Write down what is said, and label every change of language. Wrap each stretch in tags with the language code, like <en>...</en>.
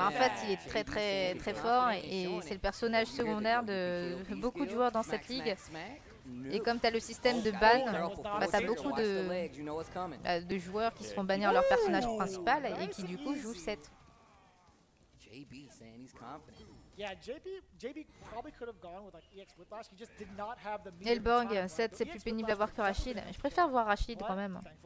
<fr>en fait, il est très, très, très fort et c'est le personnage secondaire de beaucoup de joueurs dans cette ligue. Et comme tu as le système de ban, bah tu as beaucoup de joueurs qui se font bannir leur personnage principal et qui du coup jouent 7.</fr> <en>JB saying he's confident. Yeah, JB probably could have gone with like EX Whiplash. He just did not have the meter.</en> <fr>Elbong, 7, c'est plus pénible à voir que Rashid. Je préfère voir Rashid quand même.</fr>